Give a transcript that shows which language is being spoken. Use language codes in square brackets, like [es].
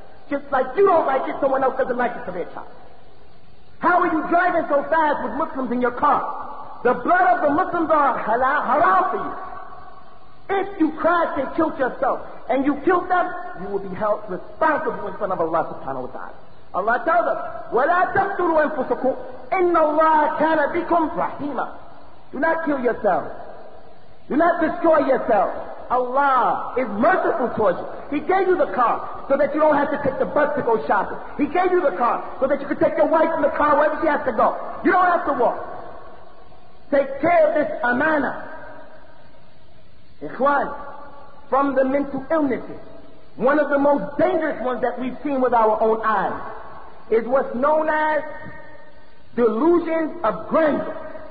[en] Just like you don't like it, someone else doesn't like it for their child. How are you driving so fast with Muslims in your car? The blood of the Muslims are halal for you. If you crashed and killed yourself, and you killed them, you will be held responsible in front of Allah subhanahu wa ta'ala. Allah tells us, [ar] وَلَا تَقْتُلُوا أَنفُسَكُمْ إِنَّ اللَّهَ كَانَ بِكُمْ رَحِيمًا. [en] Do not kill yourself. Do not destroy yourself. Allah is merciful towards you. He gave you the car so that you don't have to take the bus to go shopping. He gave you the car so that you can take your wife in the car wherever she has to go. You don't have to walk. Take care of this amana. Ikhwan, from the mental illnesses, one of the most dangerous ones that we've seen with our own eyes is what's known as delusions of grandeur.